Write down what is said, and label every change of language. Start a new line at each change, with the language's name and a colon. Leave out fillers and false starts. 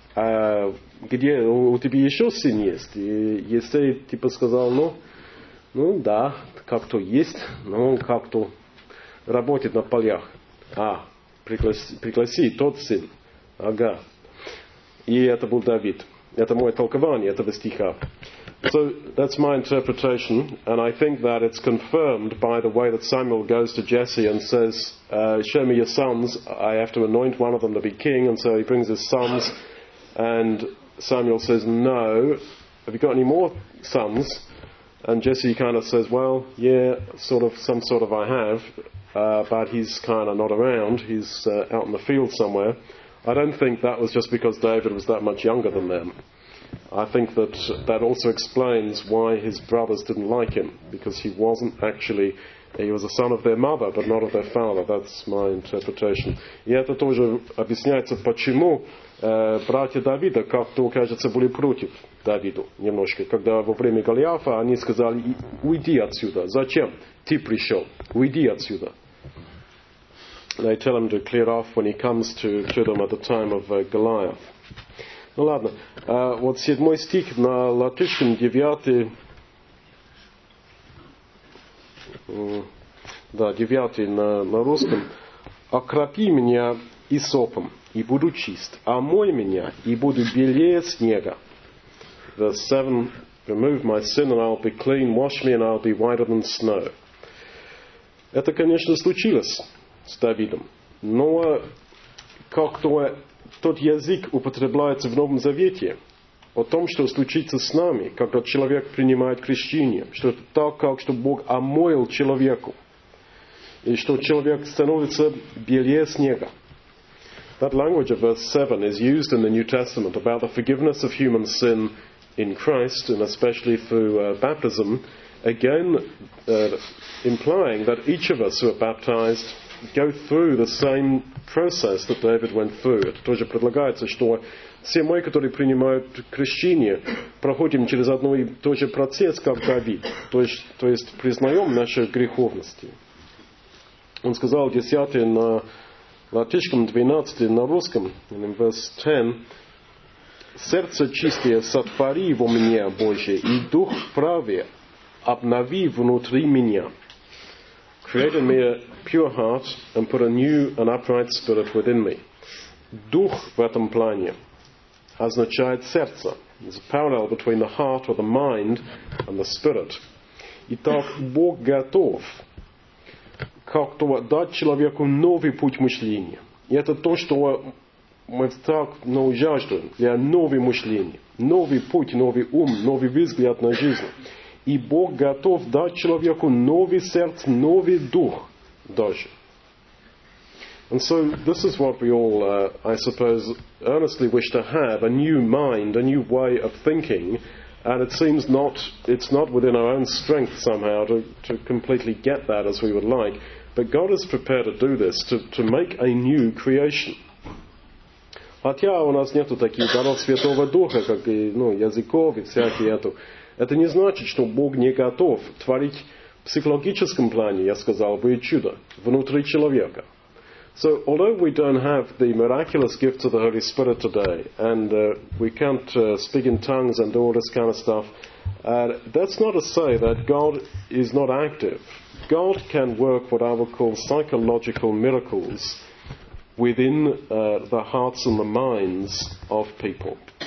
Russian: А где у тебя еще сын есть? И Иессей сказал, да, как-то есть, но он как-то работает на полях. А, пригласи тот сын. Ага. И это был Давид. Это мое толкование этого стиха.
English: So that's my interpretation, and I think that it's confirmed by the way that Samuel goes to Jesse and says, show me your sons, I have to anoint one of them to be king, and so he brings his sons, and Samuel says, no, have you got any more sons? And Jesse kind of says, well, yeah, some sort of I have, but he's kind of not around, he's out in the field somewhere. I don't think that was just because David was that much younger than them. I think that also explains why his brothers didn't like him, because he was a son of their mother, but not of their father. That's my interpretation.
Russian: И это тоже объясняется, почему братья Давида как-то, кажется, были против Давиду немножко. Когда во время Голиафа они сказали, уйди отсюда. Зачем? Ты пришел. Уйди отсюда.
English: They tell him to clear off when he comes to them at the time of Goliath.
Russian: Ну ладно, вот 7 стих на латышском, 9, да, 9 на русском. «Окропи меня иссопом, и буду чист, омой меня, и буду белее снега».
English: Verse 7, «Remove my sin, and I'll be clean, wash me, and I'll be whiter than snow».
Russian: Это, конечно, случилось с Давидом, но как-то тот язык употребляется в Новом Завете о том, что случится с нами, когда человек принимает крещение, что это так, как что Бог омоил человеку, и что человек становится белее снега.
English: That language of verse 7 is used in the New Testament about the forgiveness of human sin in Christ, and especially through baptism, again implying that each of us who are baptized go through the same process that David went through.
Russian: Это тоже предлагается, что все мы, которые принимают крещение, проходим через одно и то же процесс, как Давид. То есть признаем наши греховности. Он сказал 10 на латышском, 12 на русском,
English: verse 10,
Russian: «Сердце чистое сотвори во мне, Божие, и дух праве обнови внутри меня».
English: Create in me a pure heart and put a new and upright spirit within me.
Russian: Дух в этом плане означает сердце.
English: It's a parallel between the heart or the mind and the spirit.
Russian: Итак, Бог готов как-то дать человеку новый путь мышления. И это то, что мы так нуждаем для нового мышления. Новый путь, новый ум, новый взгляд на жизнь. И Бог готов дать человеку новый сердце, новый дух даже.
English: And so this is what we all, I suppose, earnestly wish to have, a new mind, a new way of thinking, and it seems not, it's not within our own strength somehow to completely get that as we would like, but God is prepared to do this, to make a new creation.
Russian: Хотя у нас нету таких даров Святого Духа, как и, ну, языков и всякие это. Это не значит, что Бог не готов творить в психологическом плане, я сказал бы, чудо внутри человека.
English: So, although we don't have the miraculous gifts of the Holy Spirit today, and we can't speak in tongues and do all this kind of stuff, that's not to say that God is not active. God can work what I would call psychological miracles within the hearts and the minds of people.